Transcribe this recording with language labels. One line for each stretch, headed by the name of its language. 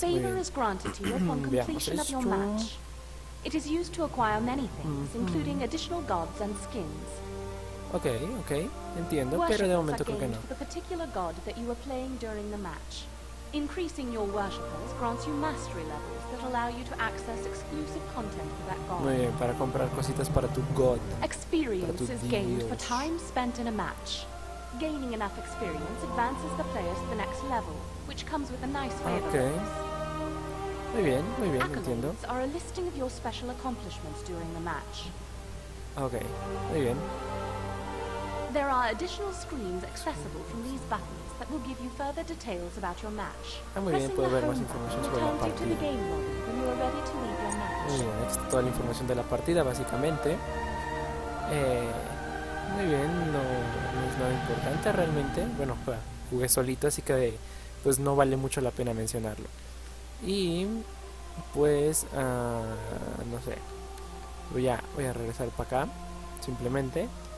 English: Favor is granted to you upon completion of your match. It is used to acquire many things, mm-hmm. including additional gods and skins.
Spanish: Okay, okay, entiendo, worship pero de momento creo que no.
English: For the particular god that you are playing during the match. Increasing your worshippers grants you mastery levels that allow you to access exclusive content for that god.
Spanish: Muy bien, para comprar cositas para tu god.
English: Experience is gained for time spent in a match. Gaining enough experience advances the players to the next level, which comes with a nice favor.
Spanish: Okay. Muy bien,
English: accolades
Spanish: entiendo.
English: Accolades are a listing of your special accomplishments during the match.
Spanish: Okay, muy bien.
English: There are additional screens accessible from these buttons that will give you further details about your match.
Spanish: Muy bien, puedo ver más información sobre la partida.
English: You when you are ready to leave your match.
Spanish: Muy bien, esta es toda la información de la partida, básicamente. Muy bien, no, no es nada importante realmente. Bueno, jugué solito, así que pues no vale mucho la pena mencionarlo. Y pues, no sé, voy a regresar para acá, simplemente.